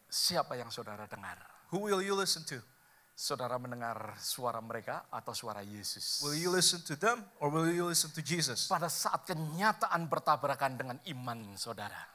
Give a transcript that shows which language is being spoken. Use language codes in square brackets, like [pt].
[id] Siapa yang saudara dengar? [en] Who will you listen to? [id] Saudara mendengar suara mereka atau suara Yesus? [en] Will you listen to them or will you listen to Jesus? [id] Pada saat kenyataan bertabrakan dengan iman saudara.